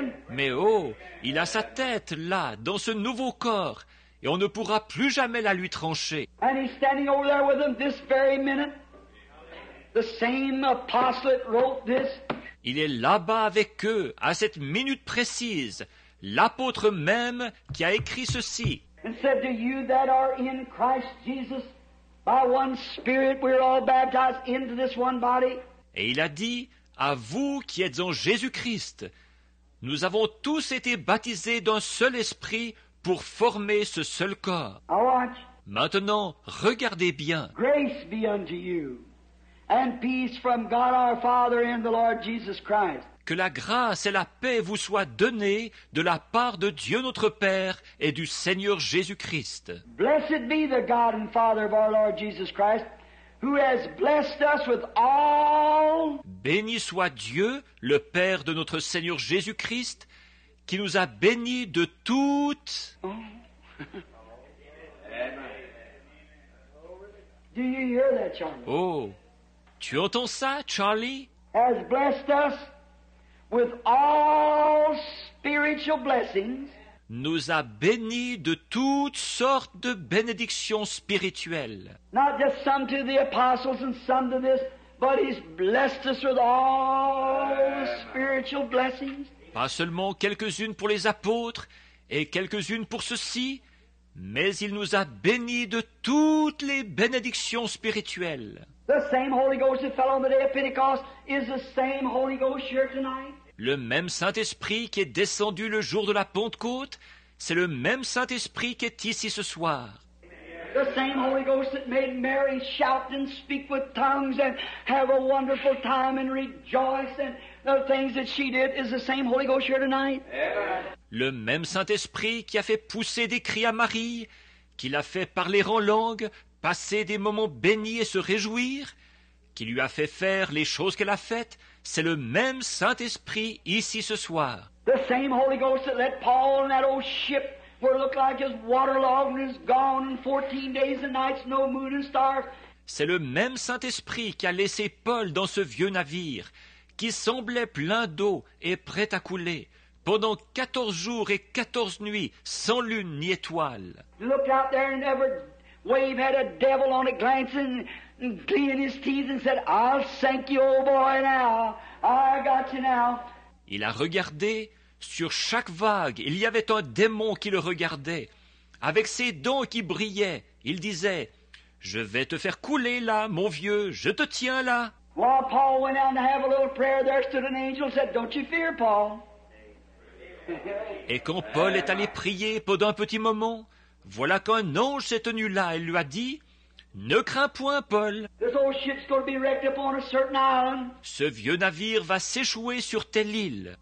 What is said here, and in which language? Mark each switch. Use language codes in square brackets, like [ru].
[fr] Mais oh, il a sa tête là, dans ce nouveau corps. et on ne pourra plus jamais la lui trancher. [en] And he's standing over there with them this very minute. The same apostle wrote this. [fr] Il est là-bas avec eux, à cette minute précise, l'apôtre même qui a écrit ceci. [en] And said to you that are in Christ Jesus, by one Spirit we are all baptized into this one body. [fr] Et il a dit, à vous qui êtes en Jésus-Christ, nous avons tous été baptisés d'un seul esprit pour former ce seul corps. Maintenant, regardez bien. [en] Grace be unto you, and peace from God our Father and the Lord Jesus Christ. [fr] Que la grâce et la paix vous soient données de la part de Dieu notre Père et du Seigneur Jésus-Christ. [en] Blessed be the God and Father of our Lord Jesus Christ, who has blessed us with all. [fr] Béni soit Dieu, le Père de notre Seigneur Jésus-Christ, qui nous a bénis de toute. [en] Do you hear that, Charlie? [fr] Oh, tu entends ça, Charlie? [en] Has blessed us with all spiritual blessings. [fr] Nous a bénis de toutes sortes de bénédictions spirituelles. [en] Not just some to the apostles and some to this, but he's blessed us with all spiritual blessings. [fr] Pas seulement quelques-unes pour les apôtres et quelques-unes pour ceux-ci, mais il nous a bénis de toutes les bénédictions spirituelles. [en] The same Holy Ghost that fell on the day of Pentecost is the same Holy Ghost here tonight. [fr] Le même Saint-Esprit qui est descendu le jour de la Pentecôte, c'est le même Saint-Esprit qui est ici ce soir. [en] The same Holy Ghost that made Mary shout and speak with tongues and have a wonderful time and rejoice and the things that she did is the same Holy Ghost here tonight. [fr] Le même Saint-Esprit qui a fait pousser des cris à Marie, qui l'a fait parler en langue, passer des moments bénis et se réjouir, qui lui a fait faire les choses qu'elle a faites, c'est le même Saint-Esprit ici ce soir. [en] The same Holy Ghost that let Paul in that old ship where it looked like his waterlogged and is gone in 14 days and nights, no moon and stars. [fr] C'est le même Saint-Esprit qui a laissé Paul dans ce vieux navire, qui semblait plein d'eau et prêt à couler, pendant 14 jours et 14 nuits, sans lune ni étoile. [en] He looked out there and every wave had a devil on it glancing. And cleaning his teeth and said, I'll sink you, old boy, now. I got you now. [fr] Il a regardé. Sur chaque vague, il y avait un démon qui le regardait. Avec ses dents qui brillaient, il disait, je vais te faire couler là, mon vieux, je te tiens là. [en] While Paul went out to have a little prayer, there stood an angel and said, don't you fear, Paul. [fr] Et quand Paul est allé prier pendant un petit moment, voilà qu'un ange s'est tenu là et lui a dit, ne crains point, Paul. [en] This old ship's going to be wrecked upon a certain island. [fr] Ce vieux navire va s'échouer sur telle île.